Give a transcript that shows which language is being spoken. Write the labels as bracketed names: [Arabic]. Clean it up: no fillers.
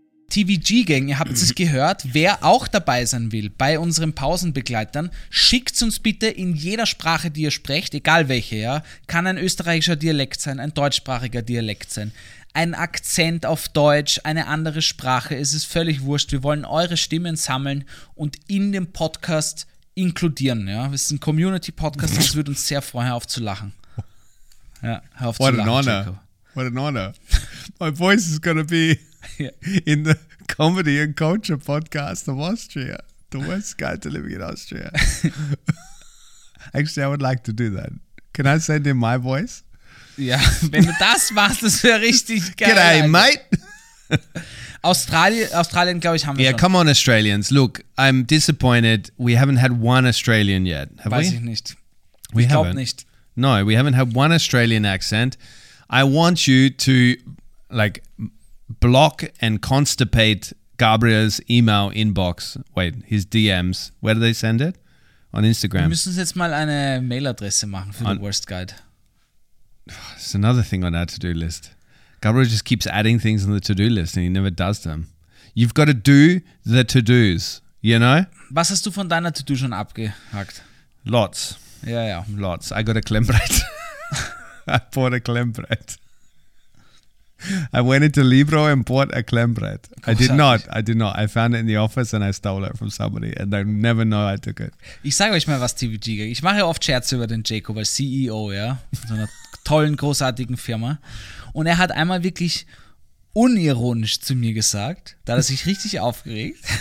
[German] TVG-Gang, ihr habt es gehört, wer auch dabei sein will bei unseren Pausenbegleitern, schickt uns bitte in jeder Sprache, die ihr sprecht, egal welche, ja, kann ein österreichischer Dialekt sein, ein deutschsprachiger Dialekt sein, ein Akzent auf Deutsch, eine andere Sprache, es ist völlig wurscht, wir wollen eure Stimmen sammeln und in den Podcast inkludieren, ja, es ist ein Community-Podcast, das würde uns sehr freuen, aufzulachen. Ja, hör auf zu lachen, [English] Jacob. What an honor. My voice is gonna be in the Comedy and Culture Podcast of Austria. The worst guy to live in Austria. Actually, I would like to do that. Can I send in my voice? [German] Ja, wenn du das machst, das wäre richtig geil. [English] G'day, mate. [German] Australien, glaube ich, haben wir [English] schon. Yeah, come on, Australians. Look, I'm disappointed. We haven't had one Australian yet, have [German] Weiß [English] we? [German] Weiß ich nicht. We ich glaube nicht. [English] No, we haven't had one Australian accent. I want you to, like, block and constipate Gabriel's email inbox. Wait, his DMs. Where do they send it? On Instagram. [German] Wir müssen jetzt mal eine Mailadresse machen für the worst guide. [English] It's another thing on our to-do list. Gabriel just keeps adding things on the to-do list and he never does them. You've got to do the to-dos, you know? Was hast du von deiner To-Do schon abgehakt? Lots. Yeah, yeah. Lots. I got a Klemmbrett. I bought a Klemmbrett. I went into Libro and bought a Klemmbrett. I did not. I found it in the office and I stole it from somebody and I never know I took it. [German] Ich sage euch mal was, TVG. Ich mache ja oft Scherze über den Jacob als CEO, ja, so einer tollen, großartigen Firma. Und er hat einmal wirklich unironisch zu mir gesagt, da hat er sich richtig aufgeregt.